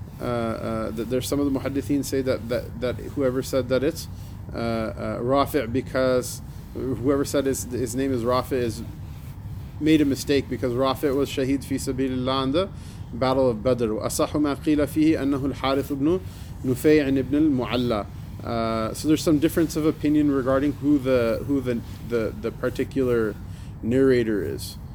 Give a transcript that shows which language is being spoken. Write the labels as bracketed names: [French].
[English] There's some of the muhaddithin say that whoever said that it's رافع, because whoever said his name is رافع is made a mistake, because رافع was shaheed fi sabilillah in the Battle of Badr. [Arabic] وأصح ما قيل فيه أنه الحارث بن نفيع بن المعلى. [English] So there's some difference of opinion regarding who the particular narrator is.